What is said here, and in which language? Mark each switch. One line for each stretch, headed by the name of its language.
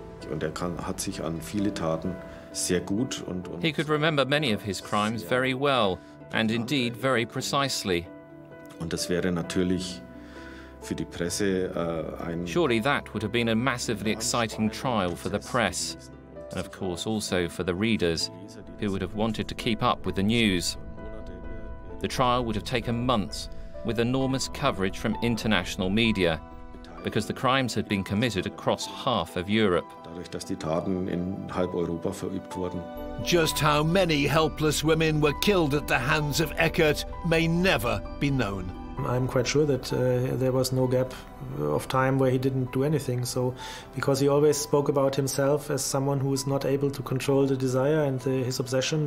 German: Und hat sich an viele Taten sehr gut und
English: he could remember many of his crimes very well, and indeed very precisely.
German: Und das wäre natürlich für die Presse,
English: surely that would have been a massively exciting trial for the press, and of course also for the readers, who would have wanted to keep up with the news. The trial would have taken months, with enormous coverage from international media. because the crimes had been committed across half of Europe.
German: Dadurch, dass die Taten in halb Europa verübt wurden.
English: Just how many helpless women were killed at the hands of Eckert may never be known. I'm quite sure that there was no gap of time where he didn't do anything. So, because he always spoke about himself as someone who is not able to control the desire and his obsession.